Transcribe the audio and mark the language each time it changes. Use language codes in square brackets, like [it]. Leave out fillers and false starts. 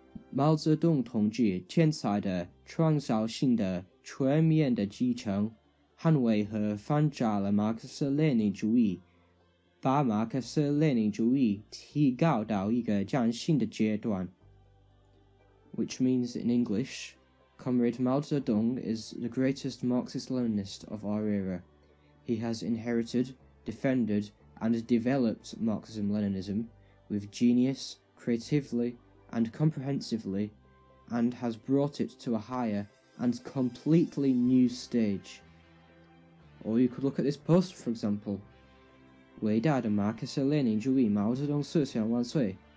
[zh] Mao Zedong 同志天才的创造性的全面的继承，捍卫和翻转了马克思列宁主义，把马克思列宁主义提高到一个崭新的阶段. [en] Which means in English, Comrade Mao Zedong is the greatest Marxist-Leninist of our era. He has inherited, defended, and developed Marxism-Leninism with genius, creatively, and comprehensively, and has brought it to a higher and completely new stage. Or you could look at this post, for example. [zh] 伟大的马克思列宁主义毛泽东思想万岁.